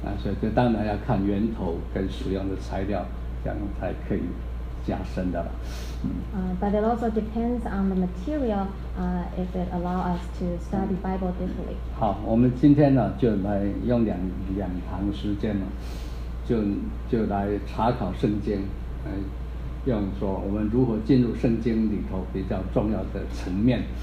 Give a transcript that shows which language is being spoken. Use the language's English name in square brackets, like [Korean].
[Chinese] 所以就当然要看源头跟使用的材料，这样才可以加深的了。 [English] But it also depends on the material, if it allow us to study Bible deeply. [Chinese] 好，我们今天呢就来用两堂时间呢，就来查考圣经，用说我们如何进入圣经里头比较重要的层面。